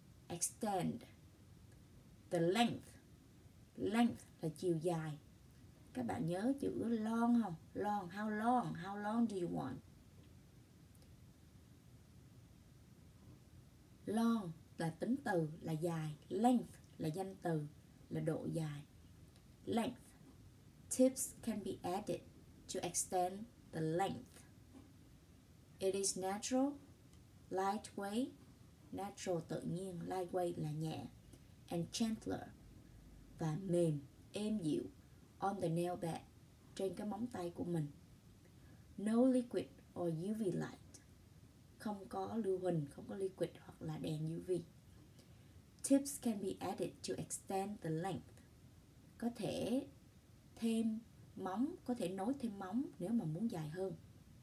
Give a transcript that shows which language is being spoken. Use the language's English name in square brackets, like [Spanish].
[English] extend. The length [Vietnamese] là chiều dài. Các bạn nhớ chữ long không? [English] Long, how long do you want? [Vietnamese] Long là tính từ, là dài. Length là danh từ, là độ dài. [English] Length. Tips can be added to extend the length. It is natural, lightweight. [Vietnamese] Natural tự nhiên, lightweight là nhẹ. [English] And gentler, [Vietnamese] và mềm, êm dịu. [English] On the nail bed, [Vietnamese] trên cái móng tay của mình. [English] No liquid or UV light. [Vietnamese] Không có lưu huỳnh, không có liquid hoặc là đèn UV. [English] Tips can be added to extend the length. [Vietnamese] Có thể thêm móng, có thể nối thêm móng nếu mà muốn dài hơn.